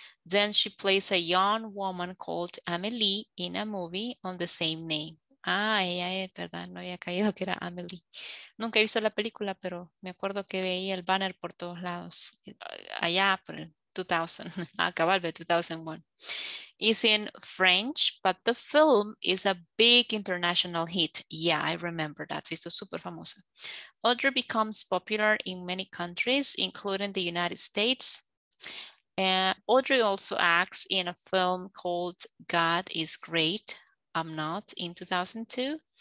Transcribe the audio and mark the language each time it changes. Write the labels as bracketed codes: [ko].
[en] Then she plays a young woman called Amelie in a movie on the same name. [es] Ah, ella es verdad, no había caído que era Amelie. Nunca he visto la película, pero me acuerdo que veía el banner por todos lados. Allá por el 2000, acabar de 2001. [en] It's in French, but the film is a big international hit. Yeah, I remember that. It's super famoso. Audrey becomes popular in many countries, including the United States. Audrey also acts in a film called God is Great, I'm Not, in 2002.